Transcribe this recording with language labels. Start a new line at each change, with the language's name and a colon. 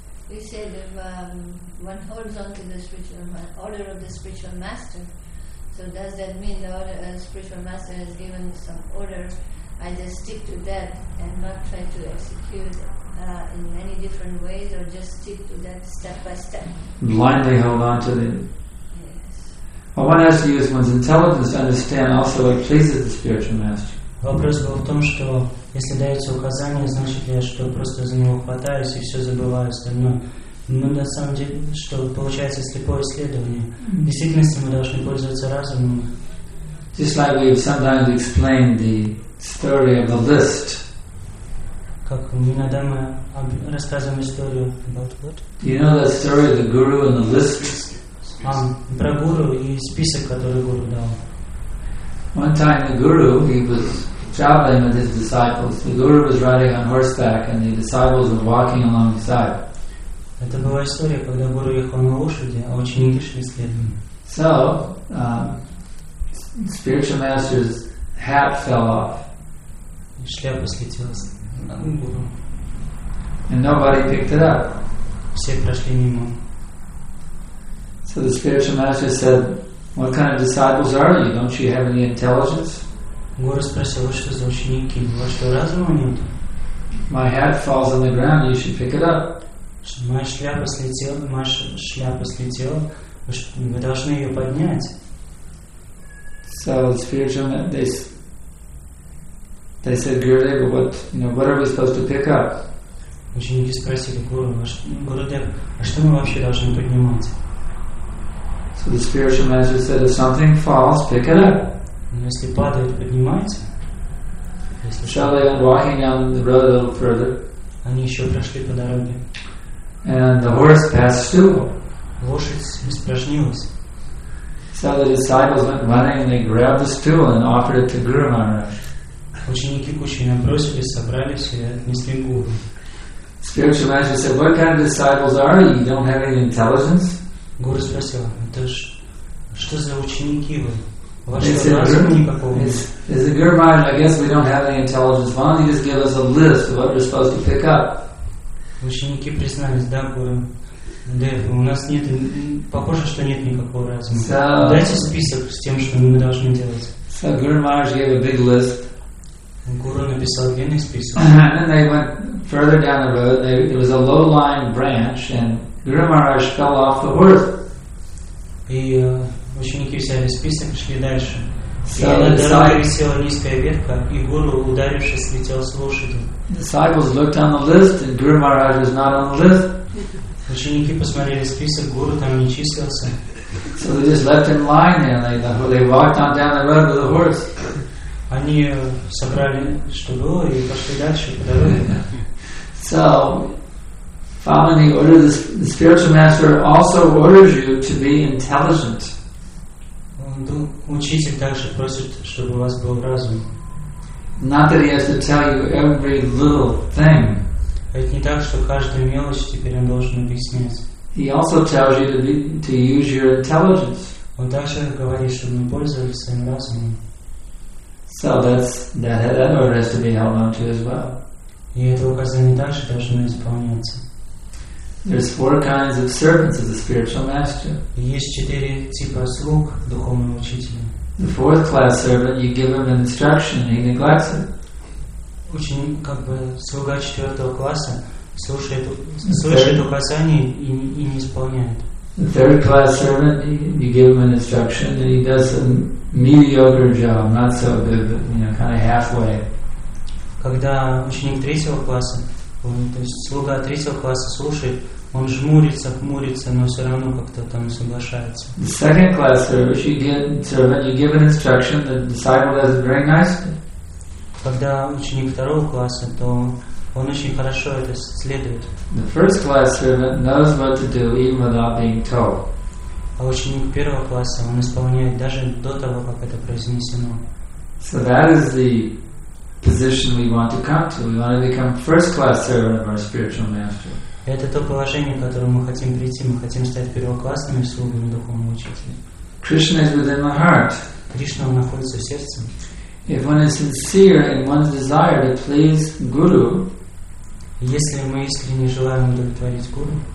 English: You said if one holds on to the order of the spiritual master, so does that mean the order of the spiritual master has given some order, I just stick to that and not try to execute it in many different ways, or just stick to that step by step? Blindly hold on to the... Well, one has to use one's intelligence to understand also what pleases the spiritual master.
Russian: Вопрос был в том, что если дается указание, значит я что просто за него хватаюсь и все забываю остальное. Но на самом деле, что получается слепое исследование. В действительности мы должны пользоваться разумом.
English: Just like we sometimes explain the story of the list.
Russian: Как иногда мы рассказываем историю
English: about what? You know the story of the guru and the list?
Russian: Про гуру и список, который гуру дал.
English: One time the guru, he was traveling with his disciples. The guru was riding on horseback and the disciples were walking alongside.
Russian: Это была история, когда гуру ехал на лошади, а ученики шли следом.
English: So, spiritual master's hat fell off.
Russian: шляпа слетела с гуру.
English: And nobody picked it up.
Russian: Все прошли мимо.
English: So the spiritual master said, "What kind of disciples are you? Don't you have any intelligence?"
Russian: Гуру спросил, что за ученики, у вас что, разума нет?
English: My hat falls on the ground. You should pick it up.
Russian: Моя шляпа слетела. Вы должны ее поднять.
English: So the spiritual master, they said, "Gurudev, what, you know, what are we supposed to pick up?"
Russian: Ученики спросили Гуру, Гурудев, а что мы вообще должны поднимать?
English: So the spiritual master said, if something falls, pick it up.
Russian: Но если падает, поднимайте.
English: So they went walking down the road a little further.
Russian: Они еще прошли по дороге.
English: And the horse passed through.
Russian: Лошадь испражнилась.
English: So the disciples went running and they grabbed the stool and offered it to Guru Maharaj.
Russian: Ученики кучи набросились, собрались и отнесли Гуру.
English: Spiritual master said, "What kind of disciples are you? You don't have any intelligence?"
Russian: Гуру спросил, что за ученики вы? Ваши разума никакого нет.
English: Is the Guru Maharaj, I guess we don't have any intelligence. Why don't you just give us a list of what we're supposed to pick up?
Russian: Ученики признались, да, Гуру. Да, у нас нет, похоже, что нет никакого разума. So, дайте список с тем, что мы должны делать.
English: So Guru Maharaj gave a big list.
Russian: Гуру написал длинный список.
English: And then they went further down the road. There was a low-lying branch, and Guru Maharaj fell off the horse.
Russian: И ученики взяли список и шли дальше. So и на дороге висела низкая ветка, и Гуру, ударившись, слетел с лошади.
English: Disciples looked on the list, and Guru Maharaj was not on the list.
Russian: Ученики посмотрели список, Гуру там не числился.
English: So they just left him lying there, and they walked on down the road with the horse.
Russian: Они собрали, что было, и пошли дальше по дороге.
English: So, finally, the spiritual master also orders you to be intelligent.
Russian: Учитель также просит, чтобы у вас был разум.
English: Not that he has to tell you every little thing.
Russian: Это не так, что каждую мелочь теперь он должен объяснять.
English: He also tells you to use your intelligence.
Russian: Он также говорит, чтобы мы пользовались своим разумом.
English: So that's that order has to be held on to as well.
Russian: И это указание также должно исполняться.
English: There's four kinds of servants of the spiritual master.
Russian: Есть четыре типа слуг духовного учителя.
English: The fourth class servant, you give him an instruction and he neglects it.
Russian: Ученик, слуга четвертого класса слушает указание и не исполняет.
English: The third class servant, you give him an instruction and he does a mediocre job, not so good, but, you know, kind of halfway.
Russian: Когда ученик третьего класса, то есть слуга третьего класса слушает, он жмурится, хмурится, но все равно как-то там соглашается.
English: The second class servant, you give an instruction, the disciple does it very nicely.
Russian: Когда ученик второго класса, то он очень хорошо это следует.
English: The first class servant knows what to do even without being told.
Russian: А ученик первого класса, он исполняет даже до того, как это произнесено.
English: So that is the position we want to come to. We want to become first class servant of our spiritual master.
Russian: Это то положение, к которому мы хотим прийти. Мы хотим стать первоклассными слугами духовного учителя.
English: Krishna is within the heart.
Russian: Кришна находится в сердце.
English: If one is sincere in one's desire to please Guru,
Russian: если мы искренне желаем удовлетворить Гуру,